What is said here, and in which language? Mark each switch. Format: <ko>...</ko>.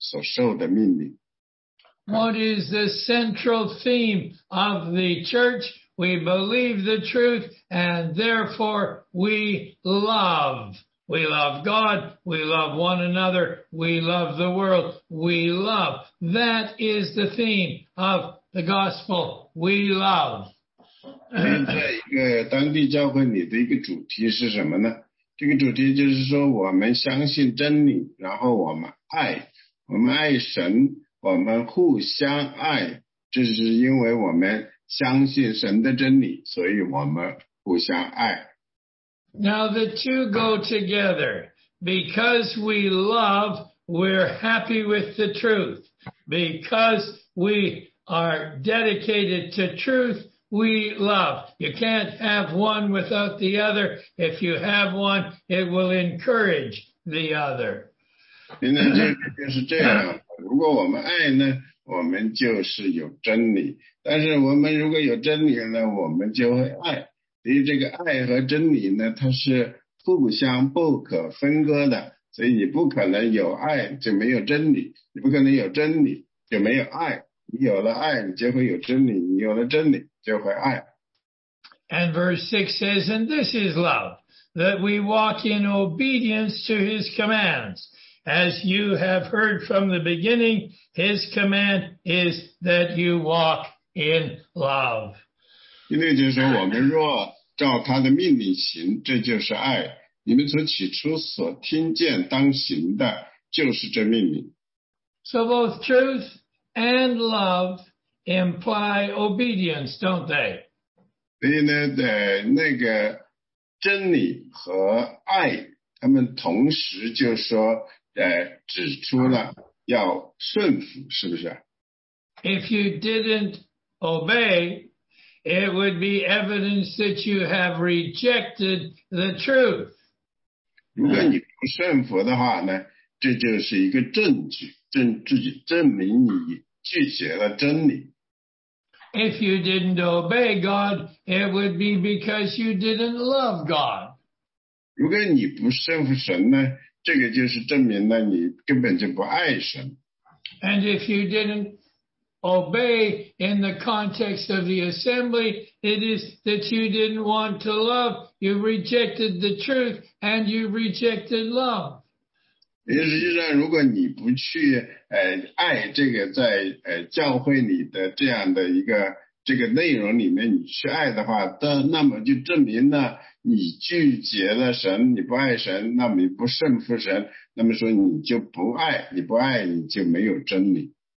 <zh>我现在劝你，我们大家要彼此相爱。这并不是我写的一条新命令给你，乃是我们从起初所受的命令。</zh> <en>What is the central theme of the church? We believe the truth, and therefore we love. We love God, we love one another, we love the world, we love. That is the theme of the gospel, we love.</en> <zh>在一个当地教会里的一个主题是什么呢？这个主题就是说我们相信真理，然后我们爱，我们爱神，我们互相爱，这是因为我们相信神的真理，所以我们互相爱。</zh> <en>Now the two go together. Because we love, we're happy with the truth. Because we are dedicated to truth, we love. You can't have one without the other. If you have one, it will encourage the other.</en> <zh>现在这个就是这样，如果我们爱呢，我们就是有真理。但是我们如果有真理呢，我们就会爱。所以这个爱和真理呢，它是互相不可分割的。所以你不可能有爱就没有真理，你不可能有真理就没有爱。你有了爱，你就会有真理；你有了真理，就会爱。</zh> <en>And verse 6 says, and this is love, that we walk in obedience to his commands. As you have heard from the beginning, his command is that you walk in love.</en> <zh>因为就是说我们若照他的命令行，这就是爱。你们从起初所听见当行的就是这命令。</zh> <en>So both truth and love imply obedience, don't they?</en> <zh>所以呢，那个真理和爱，他们同时就说指出了要顺服，是不是？</zh> <en>If you didn't obey, it would be evidence that you have rejected the truth.</en> <zh>如果你不顺服的话呢，这就是一个证据，证明你拒绝了真理。</zh> <en>If you didn't obey God, it would be because you didn't love God.</en> <zh>如果你不顺服神呢，这个就是证明了你根本就不爱神。</zh> <en>And if you didn't obey in the context of the assembly, it is that you didn't want to love. You rejected the truth and you rejected love.</en> <zh>实际上如果你不去爱这个在教会里的这样的一个这个内容里面你去爱的话，那么就证明了你拒绝了神，你不爱神，那么你不顺服神，那么说你就不爱，你不爱你就没有真理。</zh>